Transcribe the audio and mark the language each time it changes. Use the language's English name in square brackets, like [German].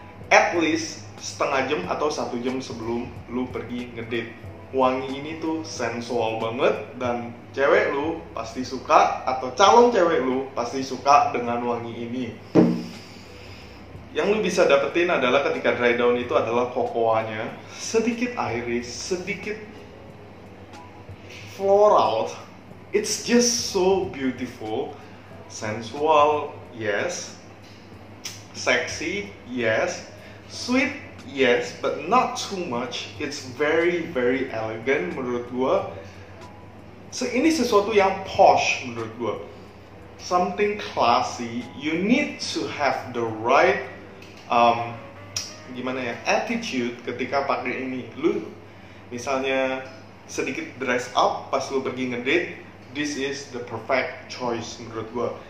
[English] At least [Indonesian] setengah jam atau satu jam sebelum lu pergi ngedate, wangi ini tuh sensual banget, dan cewek lu pasti suka, atau calon cewek lu pasti suka dengan wangi ini. Yang lu bisa dapetin adalah ketika dry down itu adalah kokoanya, sedikit iris, sedikit floral. [English] It's just so beautiful, sensual, yes, sexy, yes, sweet, yes, but not too much. It's very, very elegant [Indonesian] menurut gua. So, ini sesuatu yang posh menurut gua. [English] Something classy. You need to have the right, [Indonesian] gimana ya, [English] attitude ketika pakai ini. [Indonesian] Lu, misalnya sedikit dress up pas lu pergi ngedate, [English] this is the perfect choice [Indonesian] menurut gua.